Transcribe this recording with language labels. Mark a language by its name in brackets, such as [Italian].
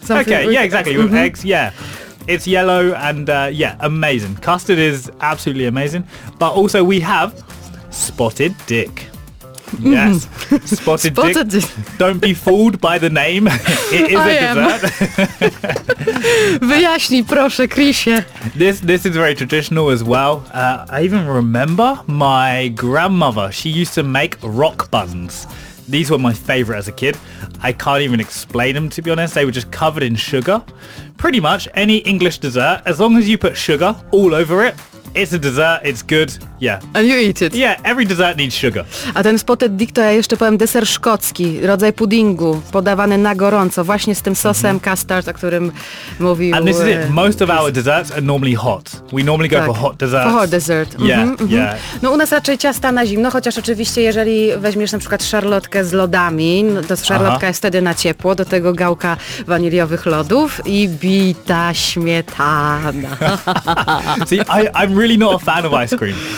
[English] Okay, yeah, exactly. With eggs, yeah. It's yellow and, amazing. Custard is absolutely amazing. But also we have spotted dick. Yes, spotted dick. Don't be fooled by the name. It is a dessert. [Polish] Wyjaśnij, proszę, Krisie. [English] This is very traditional as well. I even remember my grandmother. She used to make rock buns. These were my favorite as a kid. I can't even explain them, to be honest. They were just covered in sugar. Pretty much any English dessert, as long as you put sugar all over it, it's a dessert, it's good, yeah. And you eat it. Yeah, every dessert needs sugar. [Polish] A ten spotted dick to ja jeszcze powiem deser szkocki, rodzaj puddingu, podawany na gorąco, właśnie z tym sosem custard, o którym mówił... [English] And this is it, most of our desserts are normally hot. We normally go for hot desserts. For hot dessert. Yeah, yeah. [Polish] No u nas raczej ciasta na zimno, chociaż oczywiście jeżeli weźmiesz na przykład szarlotkę z lodami, to szarlotka jest wtedy na ciepło, do tego gałka waniliowych lodów i bita śmietana. [English] I'm really not a fan of ice cream.